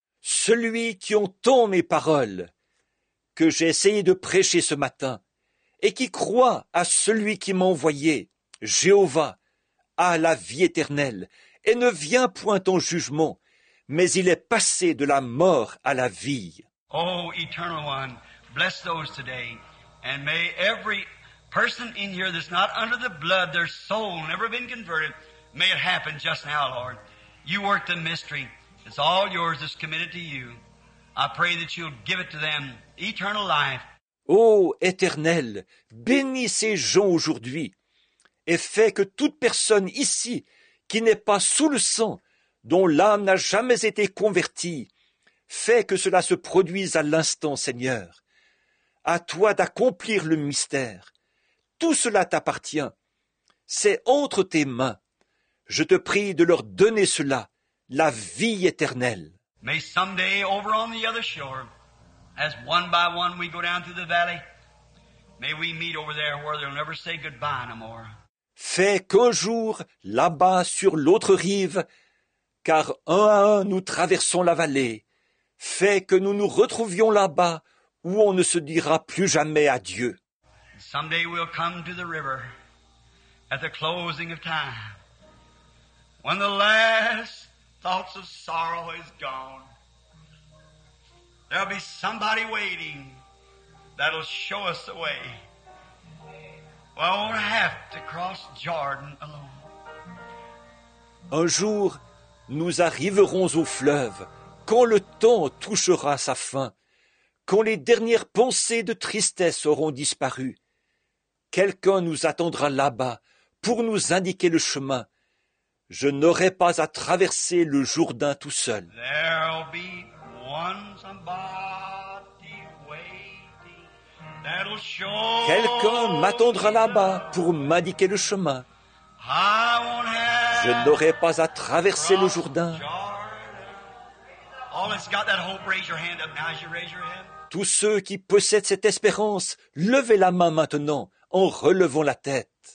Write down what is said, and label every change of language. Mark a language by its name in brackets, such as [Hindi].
[French] Celui qui entend mes paroles, que j'ai essayé de prêcher ce matin, et qui croit à celui qui m'a envoyé, Jéhovah, à la vie éternelle, et ne vient point en jugement, mais il est passé de la mort à la vie. [English] Oh, Eternal One, bless those today, and may every person in here that's not under the blood, their soul never been converted, may it happen just now, Lord. You work the mystery. It's all yours. It's committed to you. I pray that you'll give it to them, eternal life. [French] Ô Éternel, bénis ces gens aujourd'hui et fais que toute personne ici qui n'est pas sous le sang, dont l'âme n'a jamais été convertie, fais que cela se produise à l'instant, Seigneur. À toi d'accomplir le mystère. Tout cela t'appartient. C'est entre tes mains. Je te prie de leur donner cela, la vie éternelle. [English] May someday over on the other shore, as one by one we go down through the valley, may we meet over there where they'll never say goodbye no more. [French] Fais qu'un jour, là-bas sur l'autre rive, car un à un nous traversons la vallée, fais que nous nous retrouvions là-bas où on ne se dira plus jamais adieu. [English] Someday we'll come to the river at the closing of time, when the last thoughts of sorrow is gone. There'll be somebody waiting that'll show us the way. Well, I won't have to cross Jordan alone. [French] Un jour, nous arriverons au fleuve, quand le temps touchera sa fin, quand les dernières pensées de tristesse auront disparu. Quelqu'un nous attendra là-bas pour nous indiquer le chemin. Je n'aurai pas à traverser le Jourdain tout seul. [English] There'll be one somebody waiting that'll show. [French] Quelqu'un m'attendra là-bas pour m'indiquer le chemin. [English] I won't have. [French] Je n'aurai pas à traverser le Jourdain. [English] All that's got that hope, raise your hand up now as you raise your hand. [French] Tous ceux qui possèdent cette espérance, levez la main maintenant en relevant la tête.